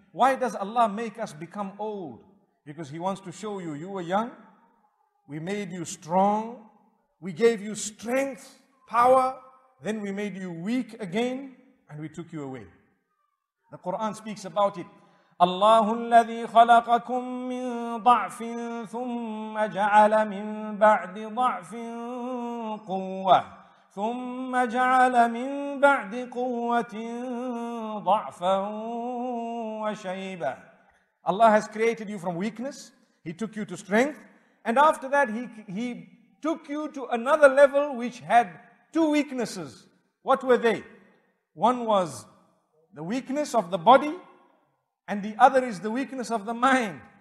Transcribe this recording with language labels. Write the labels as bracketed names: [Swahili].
[English] Why does Allah make us become old? Because He wants to show you, you were young, we made you strong, we gave you strength, power, then we made you weak again, and we took you away. The Quran speaks about it. [Arabic] الله الذي خلقكم من ضعف ثم جعل من بعد ضعف قوة ثم جعل من بعد قوة ضعفا وشيبا. [English] Allah has created you from weakness. He took you to strength. And after that, he took you to another level which had two weaknesses. What were they? One was the weakness of the body, and the other is the weakness of the mind.